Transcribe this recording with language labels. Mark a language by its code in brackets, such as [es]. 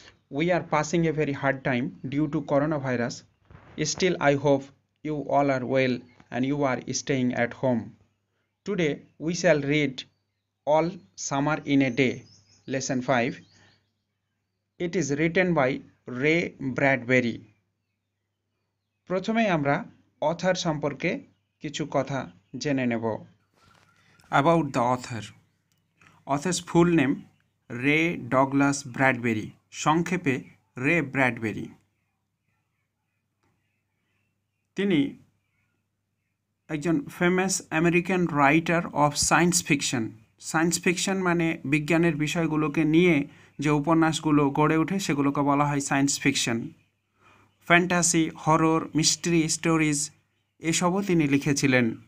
[en] We are passing a very hard time due to coronavirus. Still, I hope you all are well and you are staying at home. Today, we shall read All Summer in a Day, Lesson 5. It is written by Ray Bradbury. [bn] প্রথমে আমরা author সম্পর্কে কিছু কথা জেনে নেব। [en] About the author. Author's full name Ray Douglas Bradbury, সংক্ষেপে Ray Bradbury. [bn] তিনি একজন [en] famous American writer of science fiction. [bn] Science fiction মানে বিজ্ঞানের বিষয়গুলোকে নিয়ে যে উপন্যাসগুলো গড়ে ওঠে সেগুলোকে বলা হয় science fiction. [en] Fantasy, horror, mystery stories [bn] এসবও তিনি লিখেছিলেন.